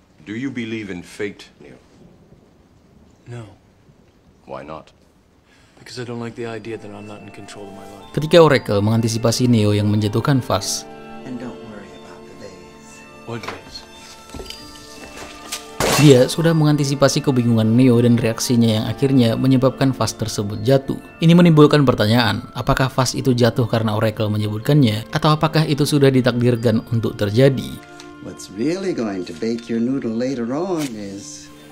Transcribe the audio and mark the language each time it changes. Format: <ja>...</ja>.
<en>Do you believe in fate, Neo? No. Why not? Because I don't like the idea that I'm not in control of my life.</en> <id>Ketika Oracle mengantisipasi Neo yang menjatuhkan vas.</id> <en>And don't worry about the days. What days?</en> <id>Dia sudah mengantisipasi kebingungan Neo dan reaksinya yang akhirnya menyebabkan vas tersebut jatuh. Ini menimbulkan pertanyaan, apakah vas itu jatuh karena Oracle menyebutkannya, atau apakah itu sudah ditakdirkan untuk terjadi?</id> <en>What's really going to bake your noodle later on is</en>